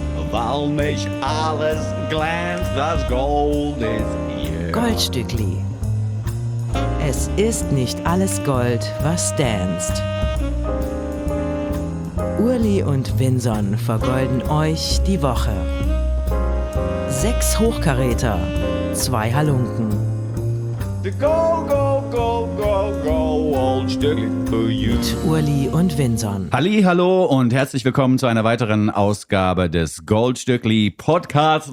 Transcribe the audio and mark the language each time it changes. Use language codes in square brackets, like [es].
[de] Weil nicht alles glänzt, das Gold ist hier. Goldstückli. Es ist nicht alles Gold, was danzt. Urli und Winson vergolden euch die Woche. 6 Hochkaräter, 2 Halunken. [en] The go, go, go, go, go, Goldstückli for you. [de] Mit Urli und Winson. Halli, hallo und herzlich willkommen zu einer weiteren Ausgabe des Goldstückli Podcasts.